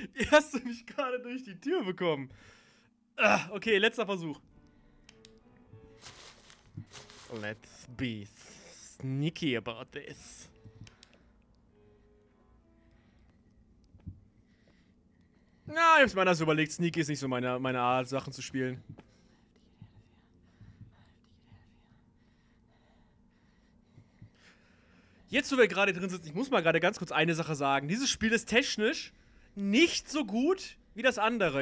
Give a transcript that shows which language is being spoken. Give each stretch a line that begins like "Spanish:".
German: Hast du mich gerade durch die Tür bekommen? Okay, letzter Versuch.
English: Let's be sneaky about this.
German: Na, ich hab's mir anders überlegt. Sneaky ist nicht so meine Art, Sachen zu spielen. Jetzt, wo wir gerade drin sitzen, ich muss mal gerade ganz kurz eine Sache sagen. Dieses Spiel ist technisch nicht so gut wie das andere.